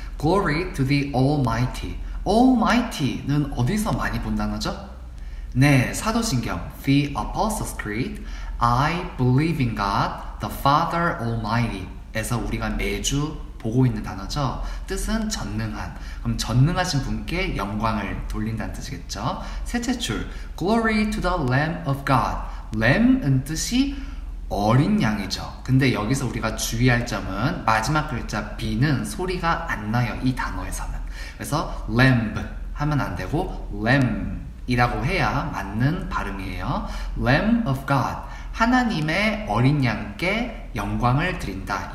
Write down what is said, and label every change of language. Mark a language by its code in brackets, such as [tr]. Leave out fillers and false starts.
[en] Glory to the Almighty. Almighty는 [ko] 어디서 많이 본 단어죠? 네, 사도신경 [en] The Apostles' Creed I believe in God, the Father Almighty [ko] 에서 우리가 매주 보고 있는 단어죠. 뜻은 전능한. 그럼 전능하신 분께 영광을 돌린다는 뜻이겠죠. 셋째 줄, [en] Glory to the Lamb of God. [ko] Lamb은 뜻이 어린 양이죠. 근데 여기서 우리가 주의할 점은 마지막 글자 B는 소리가 안 나요. 이 단어에서는. 그래서 Lamb 하면 안 되고 Lamb이라고 해야 맞는 발음이에요. [en] Lamb of God. [ko] 하나님의 어린 양께 영광을 드린다.